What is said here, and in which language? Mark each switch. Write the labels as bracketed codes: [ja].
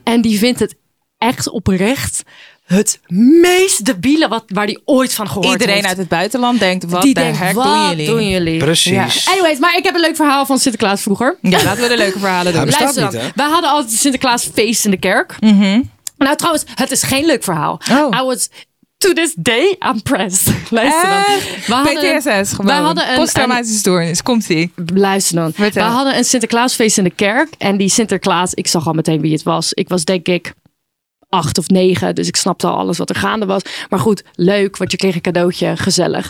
[nl] En die vindt het echt oprecht het meest debiele waar die ooit van gehoord Iedereen heeft. Uit het buitenland denkt, wat doen jullie? Precies. Ja. Anyways, maar ik heb een leuk verhaal van Sinterklaas vroeger. Ja, laten we de leuke verhalen doen. Luister niet, we hadden altijd een Sinterklaasfeest in de kerk. Mm-hmm. Nou, trouwens, het is geen leuk verhaal. Oh. [en] I was to this day impressed. [nl] PTSS, gewoon. We hadden een posttraumatische stoornis. Komt-ie. Luister dan. We hadden een Sinterklaasfeest in de kerk. En die Sinterklaas, ik zag al meteen wie het was. Ik was denk ik 8 of 9. Dus ik snapte al alles wat er gaande was. Maar goed, leuk. Want je kreeg een cadeautje. Gezellig, toch?